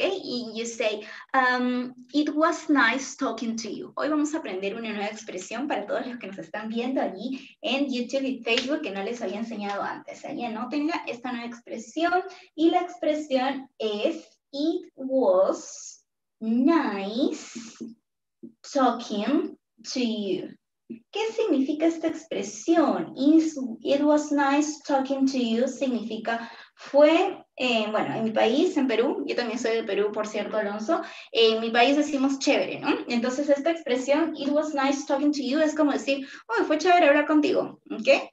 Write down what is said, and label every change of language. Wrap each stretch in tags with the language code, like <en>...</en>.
<en>Y you say, it was nice talking to you.</en> <es>Hoy vamos a aprender una nueva expresión para todos los que nos están viendo allí en YouTube y Facebook que no les había enseñado antes. Ahí anoten esta nueva expresión. Y la expresión es,</es> <en>it was nice talking to you.</en> <es>¿Qué significa esta expresión?</es> <en>It was nice talking to you.</en> <es>Significa, fue, bueno, en mi país, en Perú, yo también soy de Perú, por cierto, Alonso, en mi país decimos chévere, ¿no? Entonces, esta expresión,</es> <en>it was nice talking to you,</en> <es>es como decir, oh, fue chévere hablar contigo, ¿ok?</es>